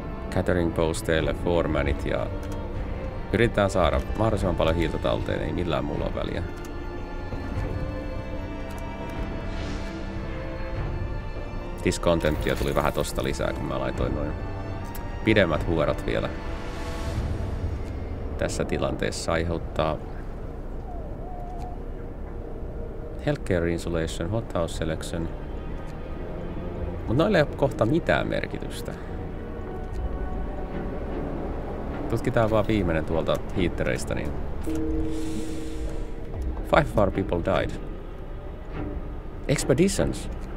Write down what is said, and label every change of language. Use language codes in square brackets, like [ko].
[fi] Catering posteille foremanit ja... yritetään saada mahdollisimman paljon hiiltä talteen, ei millään muulla ole väliä. Discontenttia tuli vähän tosta lisää, kun mä laitoin noin pidemmät huorot vielä. Tässä tilanteessa aiheuttaa... [en] healthcare insulation, hot house selection. [fi] Mut noille ei ole kohta mitään merkitystä. Tutkitaan vaan viimeinen tuolta heatereista, niin... [en] 5 of our people died. Expeditions!